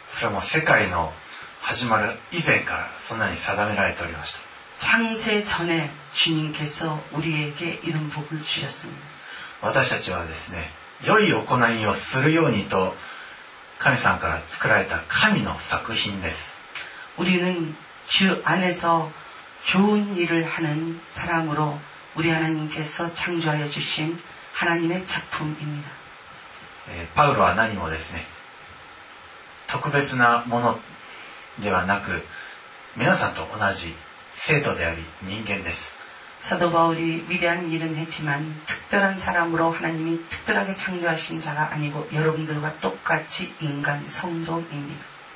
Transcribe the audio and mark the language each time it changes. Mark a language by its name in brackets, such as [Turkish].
[Japanese] それはもう世界の始まる以前からそんなに定められておりました [Korean] 창세전에주님께서우리에게이런복을주셨습니다 [Japanese] 私たちはですね良い行いをするようにと神さんから作られた神の作品です [Korean] 우리는주안에서좋은일을하는사람으로우리하나님께서창조하여주신하나님의작품입니다 [Japanese] パウロは何もですね特別なものではなく皆さんと同じ生徒であり人間です [Korean] 사도바울이위대한일은했지만특별한사람으로하나님이특별하게창조하신자가아니고여러분들과똑같이인간성도입니다